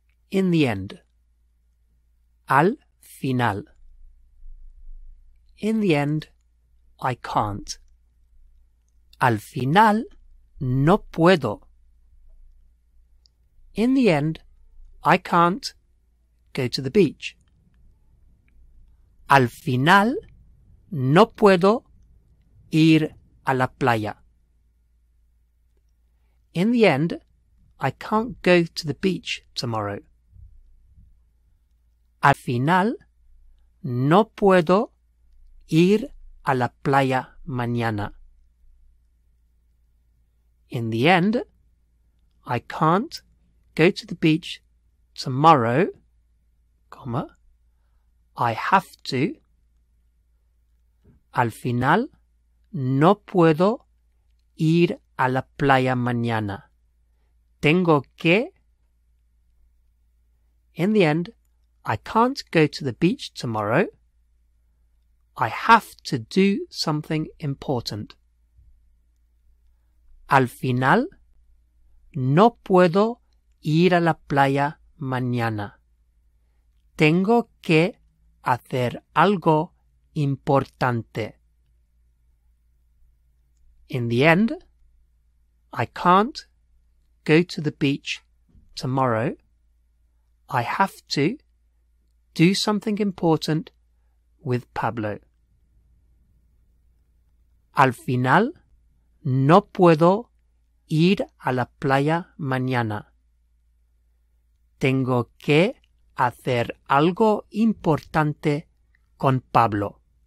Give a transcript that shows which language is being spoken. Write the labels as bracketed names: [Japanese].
[English] In the end. [Spanish] Al final. [English] In the end, I can't. [Spanish] Al final, no puedo. [English] In the end, I can't go to the beach. [Spanish] Al final, no puedo ir a la playa. [English] In the end, I can't go to the beach tomorrow. [Spanish] Al final, no puedo ir a la playa mañana. [English] In the end, I can't go to the beach tomorrow, comma, I have to. [Spanish] Al final, no puedo ir a la playa mañana. Tengo que. [English] In the end, I can't go to the beach tomorrow. I have to do something important. [Spanish] Al final, no puedo ir a la playa mañana. Tengo que hacer algo importante. [English] In the end, I can't go to the beach tomorrow. I have to do something important with Pablo. [Spanish] Al final, no puedo ir a la playa mañana. Tengo que hacer algo importante con Pablo.